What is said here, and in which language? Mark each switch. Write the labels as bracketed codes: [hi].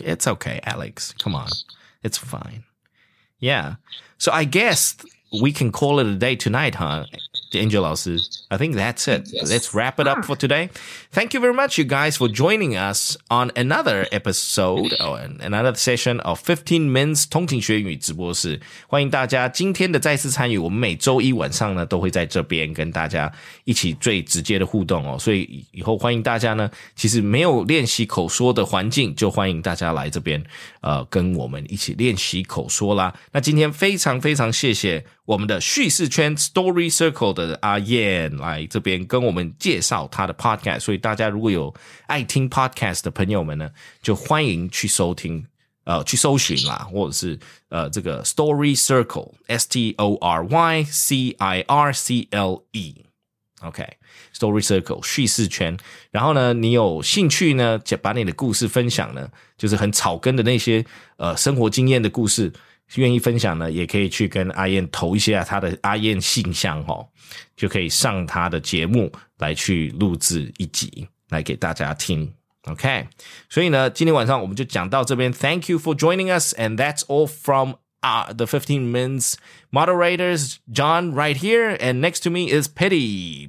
[en] It's okay, Alex. Come on. It's fine. Yeah. So I guess we can call it a day tonight, huh? Angel老师, I think that's it. Yes. Let's wrap it up for today. Thank you very much, you guys, for joining us on another episode, another session of 15 Minutes 通勤学英语直播室。 [zh] 欢迎大家今天的再次参与。我们每周一晚上呢，都会在这边跟大家一起最直接的互动哦。所以以后欢迎大家呢，其实没有练习口说的环境，就欢迎大家来这边，跟我们一起练习口说啦。那今天非常非常谢谢我们的叙事圈 Story Circle 的阿燕来这边跟我们介绍他的 podcast， 所以大家如果有爱听 podcast 的朋友们呢，就欢迎去收听，去搜寻啦，或者是这个 Story Circle StoryCircle， OK， Story Circle 叙事圈。然后呢，你有兴趣呢，就把你的故事分享呢，就是很草根的那些生活经验的故事。愿意分享呢，也可以去跟阿燕投一下他的阿燕信箱哦，就可以上他的节目来去录制一集来给大家听。 OK， 所以呢，今天晚上我们就讲到这边。 [en] Thank you for joining us, and that's all from the 15 Minutes moderators. John, right here, and next to me is Petty.